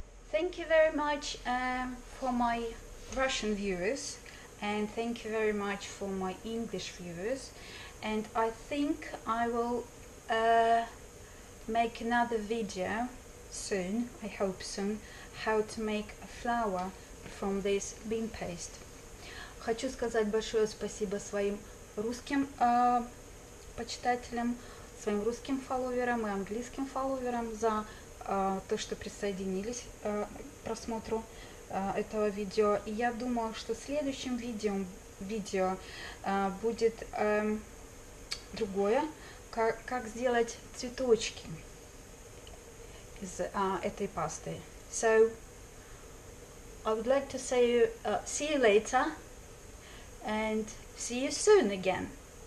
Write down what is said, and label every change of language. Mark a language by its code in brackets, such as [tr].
[en] Thank you very much for my Russian viewers. And thank you very much for my English viewers. And I think I will make another video soon. I hope soon. How to make a flour from this bean paste. [ru] Хочу сказать большое спасибо своим русским почитателям, своим русским фолловерам и английским фолловерам за то, что присоединились к просмотру этого видео. И я думаю, что следующим видео будет другое, как сделать цветочки из этой пасты. [en] So, I would like to say, see you later, and see you soon again.